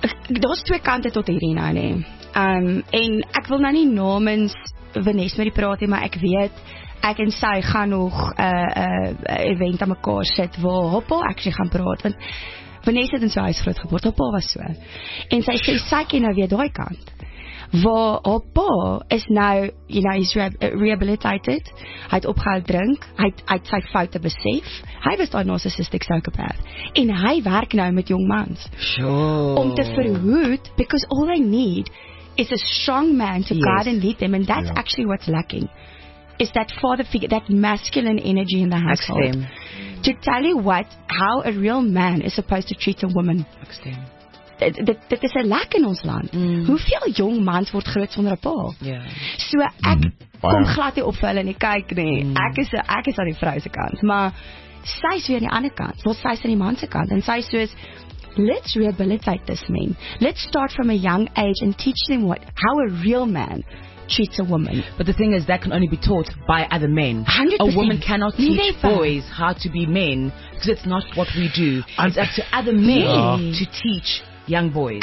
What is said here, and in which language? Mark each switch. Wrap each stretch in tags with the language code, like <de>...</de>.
<af>Daar's twee kante tot hierdie nou nie. En ek wil nou nie namens Vanessa met die praat nie, maar ek weet ek en sy gaan nog 'n event aan mekaar sit waar hoppa actually gaan praat, want Vanessa het in sy huis groot geword, haar pa was so. En sy sê sy ken nou weer daai kant. waar haar pa is nou,</af> <en>you know, he's rehabilitated.</en> <af>Hy het opgehou drink. Hy het sy foute besef. Hy was daai narcissistic psychopath. En hy werk nou met jong mans.</af> <en>Sure.</en> <af>Om te verhoed,</af> <en>because all they need is a strong man to guide and lead them. And that's actually what's lacking. Is that father figure, that masculine energy in the household. Extreme. To tell you what, how a real man is supposed to treat a woman. Extreme.</en> <af>Dit is 'n lek in ons land. Mm. Hoeveel jong mans word groot sonder 'n pa? Ja. So ek kom glad nie op vir hulle nie, kyk nie. Mm. Ek is aan die vrou se kant, maar sy is weer aan die ander kant. Wat sy is aan die man se kant en sy is soos</af> <en>let's rehabilitate this man. Let's start from a young age and teach them what how a real man treats a woman. But the thing is that can only be taught by other men. 100%. A woman cannot teach boys how to be men because it's not what we do. It's up to other men to teach young boys.</en>